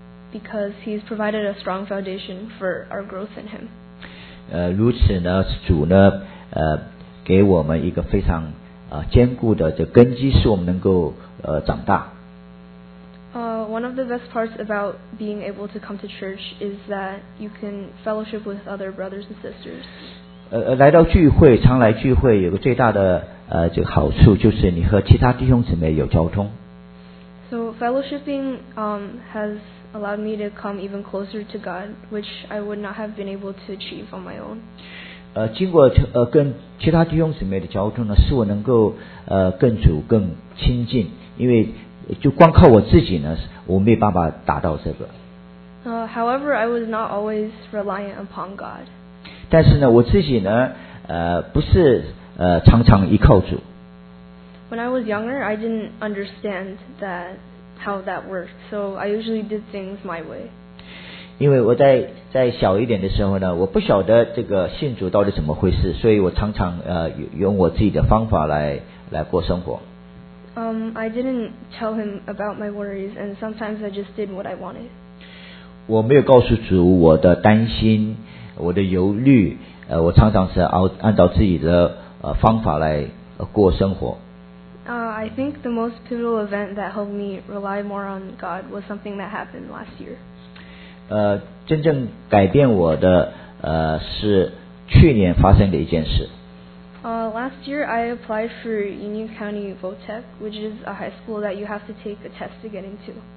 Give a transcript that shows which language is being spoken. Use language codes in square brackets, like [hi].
[en] Because he's provided a strong foundation for our growth in him. [zh] 如此呢，主呢，给我们一个非常坚固的这根基，使我们能够长大。 [en] One of the best parts about being able to come to church is that you can fellowship with other brothers and sisters. [zh] 来到聚会，常来聚会，有个最大的这个好处就是你和其他弟兄姊妹有交通。 [en] So fellowshipping has allowed me to come even closer to God, which I would not have been able to achieve on my own. [zh] 经过跟其他弟兄姊妹的交通呢，使我能够更主更亲近，因为。就光靠我自己呢，我没办法达到这个。 [en] However, I was not always reliant upon God. [zh] 但是呢，我自己呢，不是常常依靠主。 [en] When I was younger, I didn't understand that how that worked, so I usually did things my way. [zh] 因为我在小一点的时候呢，我不晓得这个信主到底怎么回事，所以我常常用我自己的方法来过生活。 [en] I didn't tell him about my worries, and sometimes I just did what I wanted. [zh] 我没有告诉主我的担心，我的忧虑。我常常是按照自己的方法来过生活。 [en] I think the most pivotal event that helped me rely more on God was something that happened last year. [zh] 真正改变我的是去年发生的一件事。 [en] Last year, I applied for Union County VOTEC, which is a high school that you have to take a test to get into.